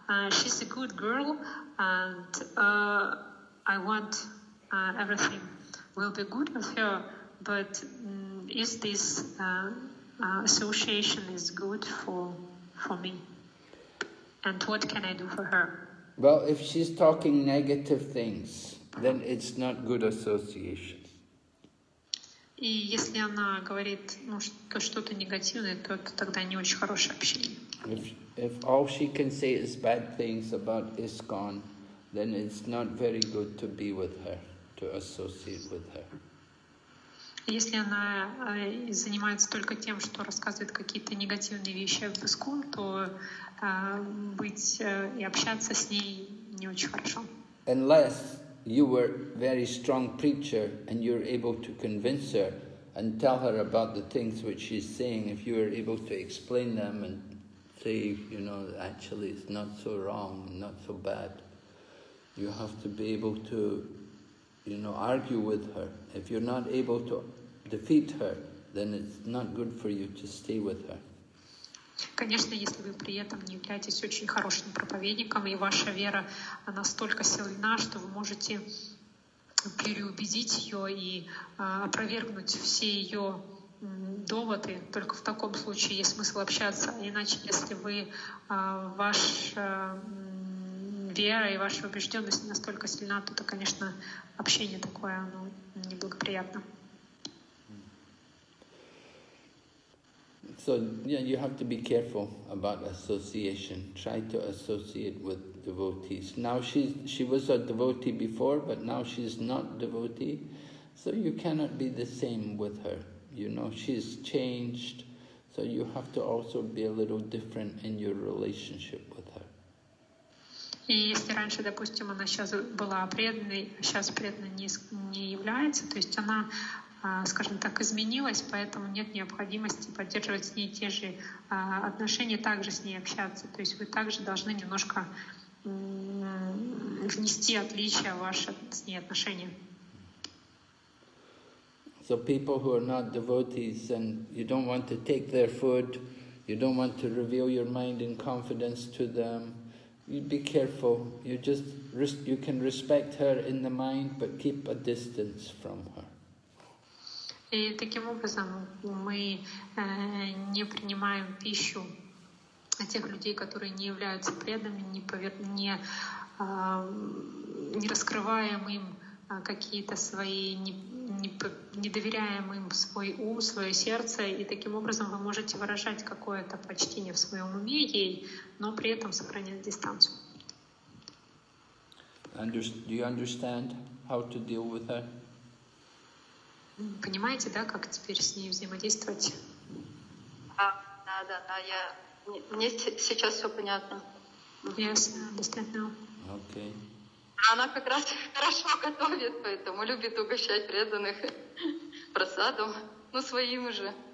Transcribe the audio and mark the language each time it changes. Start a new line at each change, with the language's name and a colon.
English: She's a good girl, and I want everything will be good with her. But is this association is good for me? And what can I do for her? Well, if she's talking negative things, then it's not good association.
Russian: И если она говорит, ну, что-то негативное, то это тогда не очень хорошее общение.
English: If all she can say is bad things about ISKCON, then it's not very good to be with her, to associate with her.
Russian: Если она занимается только тем, что рассказывает какие-то негативные вещи об ISKCON, то быть и общаться с ней не очень хорошо.
English: Unless you were a very strong preacher and you're able to convince her and tell her about the things which she's saying, if you were able to explain them and say, you know, actually it's not so wrong, not so bad, you have to be able to, you know, argue with her. If you're not able to defeat her, then it's not good for you to stay with her.
Russian: Конечно, если вы при этом не являетесь очень хорошим проповедником, и ваша вера настолько сильна, что вы можете переубедить ее и опровергнуть все ее доводы, только в таком случае есть смысл общаться. Иначе, если вы ваша вера и ваша убежденность не настолько сильна, то, конечно, общение такое оно неблагоприятно.
English: So yeah, you have to be careful about association. Try to associate with devotees. Now she was a devotee before, but now she's not devotee. So you cannot be the same with her. You know, she's changed. So you have to also be a little different in your relationship with her.
Russian: И если раньше, допустим, она сейчас была преданной, сейчас преданной не является, то есть она, скажем так, изменилась, поэтому нет необходимости поддерживать с ней те же отношения, также с ней общаться. То есть вы также должны немножко внести отличия в ваши с ней отношения.
English: So people who are not devotees and you don't want to take their food, you don't want to reveal your mind in confidence to them, you be careful. You just you can respect her in the mind, but keep a distance from her.
Russian: И таким образом мы не принимаем пищу тех людей, которые не являются преданными, не раскрываем им какие-то свои, не доверяем им свой ум, свое сердце, и таким образом вы можете выражать какое-то почтение в своем уме ей, но при этом сохранять дистанцию.
English: Do you understand how to deal with her?
Russian: Понимаете, да, как теперь с ней взаимодействовать? Да, я... Мне сейчас все понятно.
English: Yes, I understand now. Okay.
Russian: Она как раз хорошо готовит, поэтому любит угощать преданных просадом, ну, своим же.